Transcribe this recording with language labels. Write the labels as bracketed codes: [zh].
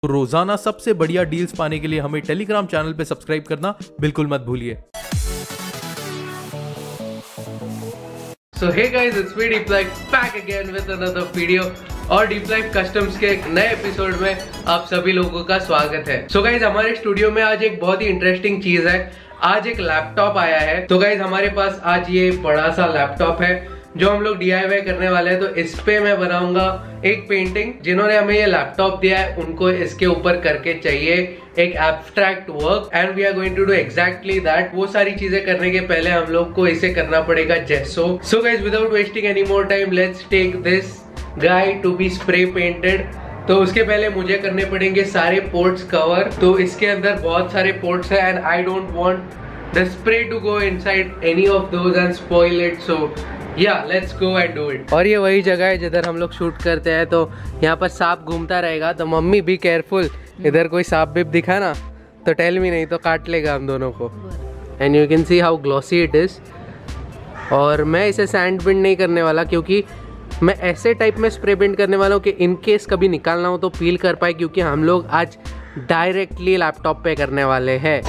[hi] रोजाना सबसे बढ़िया डील्स पाने के लिए हमें टेलीग्राम चैनल पर सब्सक्राइब करना बिल्कुल मत भूलिए। [en] So hey guys, it's me Deep Life back again with another video. [hi] और Deep Life Customs के एक नए एपिसोड में आप सभी लोगों का स्वागत है। [en] So guys, [hi] हमारे स्टूडियो में आज एक बहुत ही इंटरेस्टिंग चीज है। आज एक लैपटॉप आया है। तो गाइज हमारे पास आज ये बड़ा सा लैपटॉप है जो हम लोग DIY करने वाले हैं। तो इस पे मैं बनाऊंगा एक पेंटिंग। जिन्होंने हमें ये लैपटॉप दिया है उनको इसके ऊपर करके चाहिए एक abstract work, [en] And we are going to do exactly that. [hi] वो सारी चीजें करने के पहले हम लोग को इसे करना पड़ेगा जेसो। [en] So guys without wasting any more time let's take this guy to be spray painted. [hi] तो उसके पहले मुझे करने पड़ेंगे सारे पोर्ट्स कवर। तो इसके अंदर बहुत सारे पोर्ट्स है [en] And I don't want the spray to go inside any of those and spoil it. So Yeah, let's go and do it. [hi] और ये वही जगह है जिधर हम लोग शूट करते हैं, तो यहाँ पर सांप घूमता रहेगा। तो मम्मी बी केयरफुल, इधर कोई सांप भी दिखा ना तो [en] tell me, [hi] नहीं तो काट लेगा हम दोनों को। [en] And you can see how glossy it is. [hi] और मैं इसे सैंड पेंट नहीं करने वाला क्योंकि मैं ऐसे टाइप में स्प्रे पेंट करने वाला हूँ कि इनकेस कभी निकालना हो तो पील कर पाए, क्योंकि हम लोग आज डायरेक्टली लैपटॉप पे करने वाले हैं।